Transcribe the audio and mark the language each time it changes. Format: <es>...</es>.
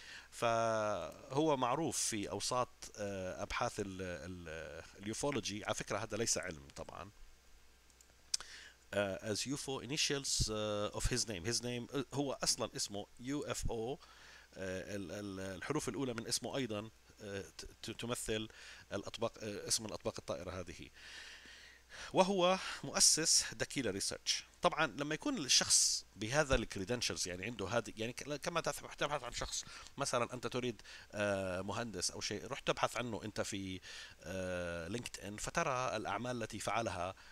<ar>فهو معروف في أوساط أبحاث اليوفولوجي. على فكرة هذا ليس علم طبعا.</ar> <en>As UFO initials of his name. His name</en> <ar>هو أصلا اسمه UFO. الحروف الأولى من اسمه أيضا تمثل الأطباق، اسم الأطباق الطائرة هذه. وهو مؤسس دكيلا ريسيرش. طبعا لما يكون الشخص بهذا الكريدنشلز، يعني عنده هذه، يعني كما تبحث عن شخص، مثلا انت تريد مهندس او شيء، رحت تبحث عنه انت في لينكد ان، فترى الاعمال التي فعلها.</ar>